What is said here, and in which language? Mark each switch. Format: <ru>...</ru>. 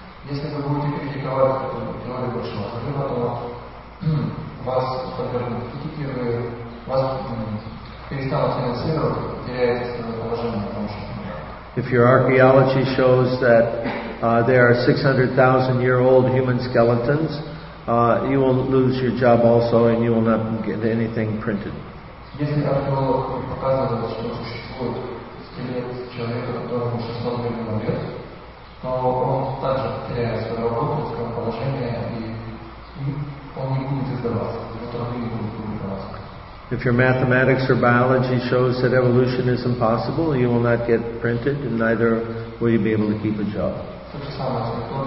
<en>If your archaeology shows that there are 600,000 year old human skeletons, you will lose your job also, and you will not get anything printed.</en> <ru>Если так, то показывает, что существует скелет человека, которому 600 миллионов лет, то он также потеряет свою работу, свое положение, и он не будет издаваться, и другие будут издаваться.</ru> <en>If your mathematics or biology shows that evolution is impossible, you will not get printed, and neither will you be able to keep a job.</en>